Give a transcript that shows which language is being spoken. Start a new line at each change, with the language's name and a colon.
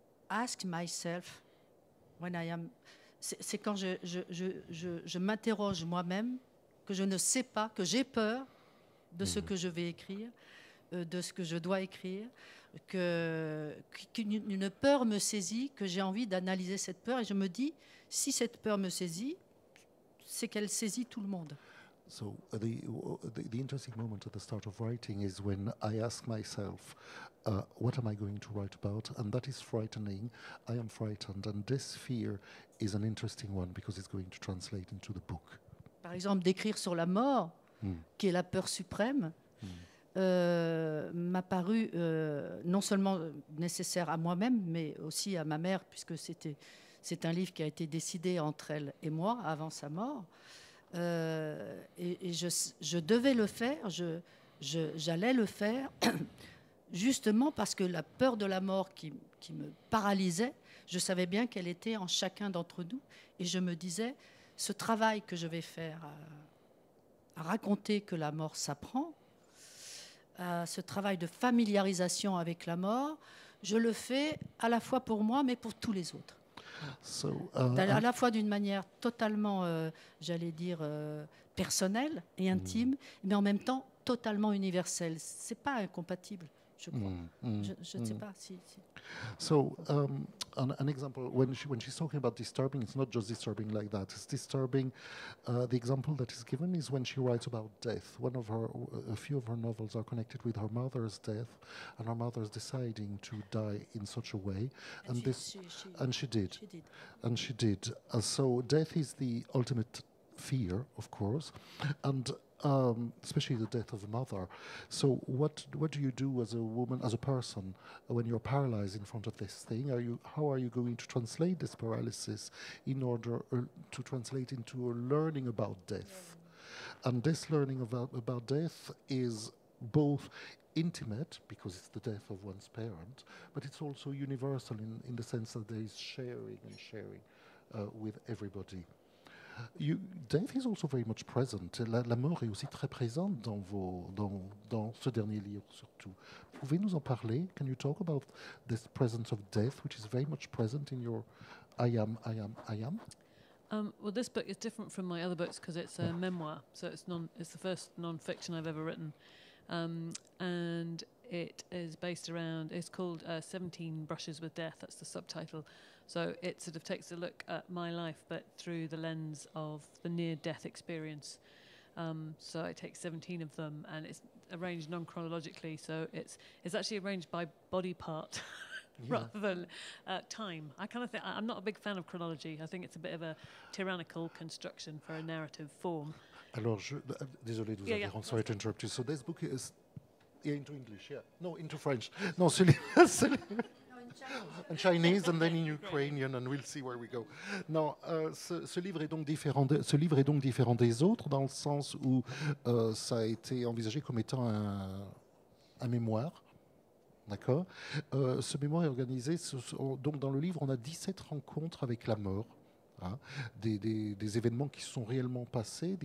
English: ask myself, when I am,
French: c'est quand je m'interroge moi-même, que je ne sais pas, que j'ai peur de ce que je vais écrire, de ce que je dois écrire, qu'une peur me saisit, que j'ai envie d'analyser cette peur, et je me dis, si cette peur me saisit, c'est qu'elle saisit tout le monde.
English: So the interesting moment at the start of writing is when I ask myself, what am I going to write about? And that is frightening. I am frightened. And this fear is an interesting one because it's going to translate into the book.
French: Par exemple, d'écrire sur la mort, qui est la peur suprême, m'a paru non seulement nécessaire à moi-même, mais aussi à ma mère, puisque c'est un livre qui a été décidé entre elle et moi avant sa mort. Et je devais le faire, j'allais le faire, justement parce que la peur de la mort qui me paralysait, je savais bien qu'elle était en chacun d'entre nous. Et je me disais, ce travail que je vais faire à raconter que la mort s'apprend, ce travail de familiarisation avec la mort, je le fais à la fois pour moi, mais pour tous les autres.
English: So,
French: à la fois d'une manière totalement, j'allais dire, personnelle et intime, mais en même temps totalement universelle. Ce n'est pas incompatible, je crois. Je ne sais pas si.
English: So, an example, when she's talking about disturbing, it's not just disturbing like that. It's disturbing. The example that is given is when she writes about death. One of her, a few of her novels are connected with her mother's death, and her mother's deciding to die in such a way. And she did. So death is the ultimate fear, of course, and especially the death of a mother. So what do you do as a woman, as a person, when you're paralyzed in front of this thing? How are you going to translate this paralysis in order to translate into a learning about death? And this learning about death is both intimate, because it's the death of one's parent, but it's also universal in the sense that there is sharing with everybody. Death is also very much present.
French: La mort est aussi très présente dans ce dernier livre, surtout. Pouvez nous en parler?
English: Can you talk about this presence of death, which is very much present in your I am? Well, this book is different from my other books because it's a memoir, so it's the first non-fiction I've ever written, and it is based around. It's called 17 Brushes with Death. That's the subtitle. So it sort of takes a look at my life, but through the lens of the near-death experience. So I take 17 of them, and it's arranged non-chronologically. So it's actually arranged by body part rather than time. I kind of think I'm not a big fan of chronology. I think it's a bit of a tyrannical construction for a narrative form.
French: Alors, désolé de vous avoir
English: sorry to interrupt you. So this book is into English, No, into French. No, celui. And Chinese, and then in Ukrainian, and we'll see where we go.
French: Non, ce livre est donc différent des autres dans le sens où ça a été envisagé comme étant un mémoire, d'accord. Ce mémoire est organisé donc dans le livre, on a 17 rencontres avec la mort, hein, des événements qui sont réellement passés.